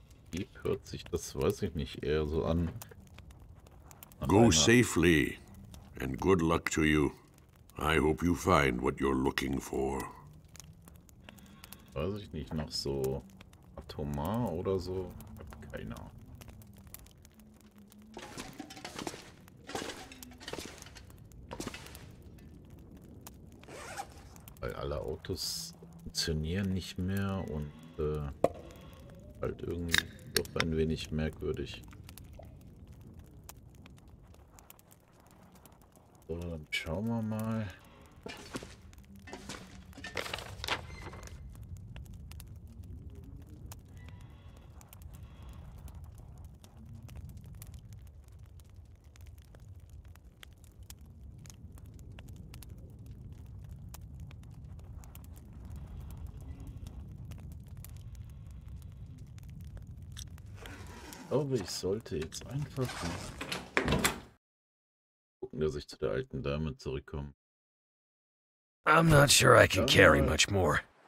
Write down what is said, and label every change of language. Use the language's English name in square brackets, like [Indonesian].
[German] Wie hört sich das, weiß ich nicht, eher so an. [English] Go safely, and good luck to you. I hope you find what you're looking for. [German] Weiß ich nicht, noch so atomar oder so? Hab keine Ahnung. Weil alle Autos funktionieren nicht mehr und halt irgendwie doch ein wenig merkwürdig. So, dann schauen wir mal. Ich glaube, ich sollte jetzt einfach gucken, dass ich zu der alten Dame zurückkomme. [English] I'm not sure I can carry much more.